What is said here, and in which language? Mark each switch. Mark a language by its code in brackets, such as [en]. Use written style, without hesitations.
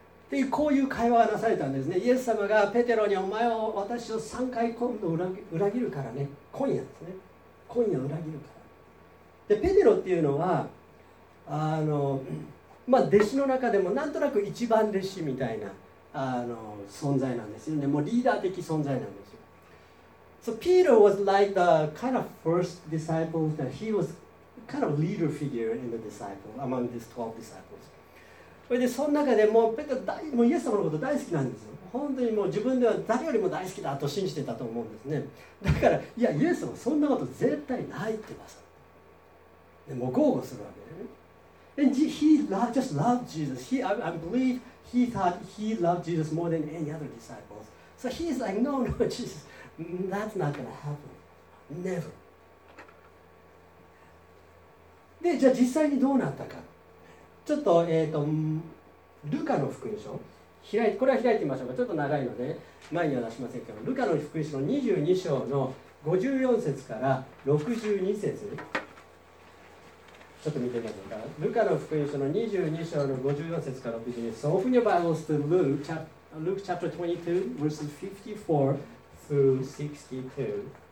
[ja] でこういう会話がなされたんですね。イエス様がペテロにお前を私を3回今度裏切るからね。今夜ですね。今夜裏切るから。でペテロっていうのはまあ、弟子の中でもなんとなく一番弟子みたいな存在なんですよね。もうリーダー的存在なんですよ。 [en] So Peter was like the kind of first disciple that he was kind of leader figure in the disciple among these 12 disciples. [ja] でその中でもペテロ大もうイエス様のこと大好きなんですよ。本当にもう自分では誰よりも大好きだと信じてたと思うんですね。だからいやイエス様そんなこと絶対ないってばさ。でもう豪語するわけね。 [en] And he just loved Jesus. I believe he thought he loved Jesus more than any other disciples. So he's like, no, no, Jesus, that's not gonna happen. Never. [ja] でじゃあ実際にどうなったか。ちょっと、ルカの福音書開いて、これは開いてみましょうか。ちょっと長いので前には出しませんけど、ルカの福音書の22章の54節から62節ちょっと見てみましょうか。ルカの福音書の22章の54節からビジネス。 [en] So open your Bibles to Luke chapter 22, verses 54 through 62.